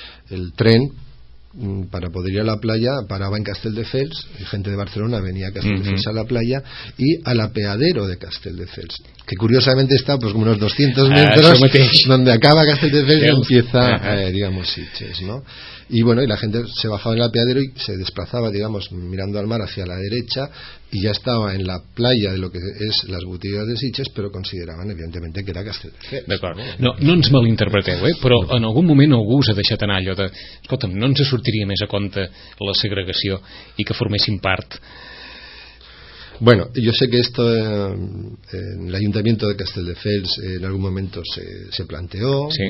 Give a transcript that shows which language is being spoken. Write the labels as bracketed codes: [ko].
[es] El tren para poder ir a la playa paraba en Castelldefels, y gente de Barcelona venía a Castelldefels a la playa y al apeadero de Castelldefels, que curiosamente está pues como unos 200 metros donde acaba Castelldefels y empieza, digamos, Sitges, ¿no? Y bueno, y la gente se bajaba en el apeadero y se desplazaba, digamos, mirando al mar hacia la derecha, y ya estaba en la playa de lo que es las botigas de Sitges, pero consideraban evidentemente que era Castelldefels. [ca] D'acord. No ens malinterpreteu, però en algun moment algú us ha deixat anar allò de, escolta'm, no ens sortiria més a compte la segregació i que formessin part? [es] Bueno, yo sé que esto en el Ayuntamiento de Castelldefels en algún momento se planteó, sí.